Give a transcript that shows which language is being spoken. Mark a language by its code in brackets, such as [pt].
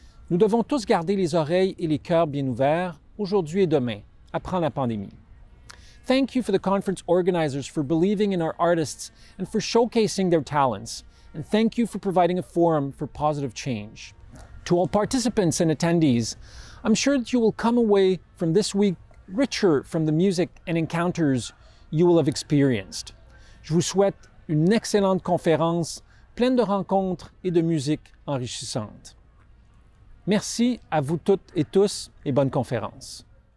[fr] Nous devons tous garder les oreilles et les cœurs bien ouverts, aujourd'hui et demain, après la pandémie. [en] Thank you for the conference organizers for believing in our artists and for showcasing their talents. And thank you for providing a forum for positive change. To all participants and attendees, I'm sure that you will come away from this week richer from the music and encounters you will have experienced. [fr] Je vous souhaite une excellente conférence, pleine de rencontres et de musique enrichissante. Merci à vous toutes et tous et bonne conférence.